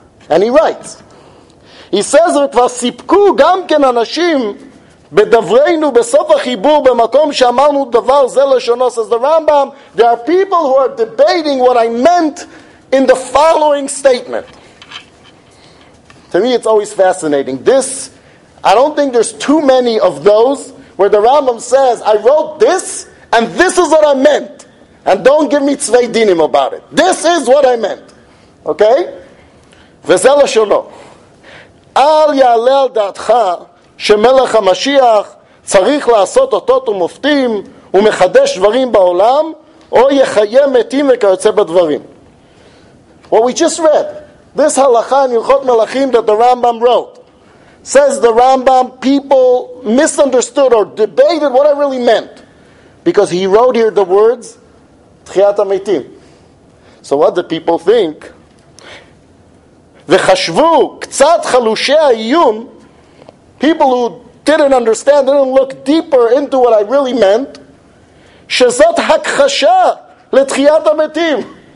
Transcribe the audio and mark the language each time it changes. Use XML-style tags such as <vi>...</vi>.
<en>And he writes, he says,</en> <he>וכבר סיפקו גם כן אנשים בדברנו בסוף החיבור במקום שאמרנו דבר זה לשונו,</he> <en>says the Rambam, there are people who are debating what I meant in the following statement. To me, it's always fascinating. This, I don't think there's too many of those where the Rambam says, I wrote this, and this is what I meant. And don't give me tzvei dinim about it. This is what I meant. Okay?</en> <he>וזה לשונו. אל יעלה על דעתך שמלך המשיח צריך לעשות אותות ומופתים ומחדש דברים בעולם או יחיה מתים וכיוצא בדברים.</he> <en>What we just read, this halakha in Hilchot Melachim that the Rambam wrote, says the Rambam, people misunderstood or debated what I really meant. Because he wrote here the words, Tchiyat HaMetim. So what do people think?</en> <he>וחשבו קצת חלושי האיום,</he> <en>people who didn't understand, didn't look deeper into what I really meant,</en> <he>שזאת הכחשה לתחיית המתים.</he>